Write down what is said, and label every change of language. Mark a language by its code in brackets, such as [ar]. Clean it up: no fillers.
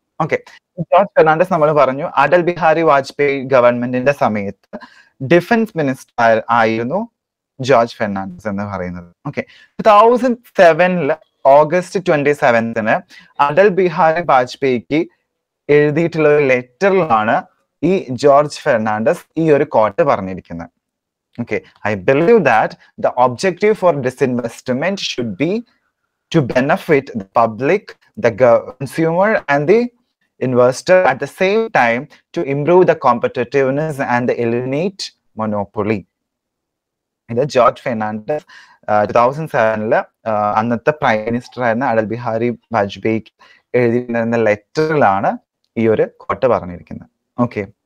[ml] Okay, George Fernandez നമ്മൾ പറഞ്ഞു അടൽ ബിഹാരി വാജ്പേയി ഗവൺമെന്റിന്റെ സമയത്ത് ഡിഫൻസ് മിനിസ്റ്റർ ആയിരുന്നു ജോർജ് ഫെർണാണ്ടസ് എന്ന് പറയുന്നത്. ഓക്കെ, 2007 ഓഗസ്റ്റ് 27 അടൽ ബിഹാരി വാജ്പേയിക്ക് എഴുതിയിട്ടുള്ള ഒരു ലെറ്ററിലാണ് ഈ ജോർജ് ഫെർണാണ്ടസ് ഈ ഒരു കോട്ട് പറഞ്ഞിരിക്കുന്നത്. [en] Okay, I believe that the objective for disinvestment should be to benefit the public, the consumer and the investor at the same time to improve the competitiveness and eliminate monopoly. [ml] ഇത് George Fernandez 2007 അന്നത്തെ prime minister ആയിരുന്ന അടൽ ബിഹാരി വാജ്പേയിക്ക് എഴുതിയിരുന്ന ലെറ്ററിലാണ് ഈ ഒരു coat പറഞ്ഞിരിക്കുന്നത്. Okay,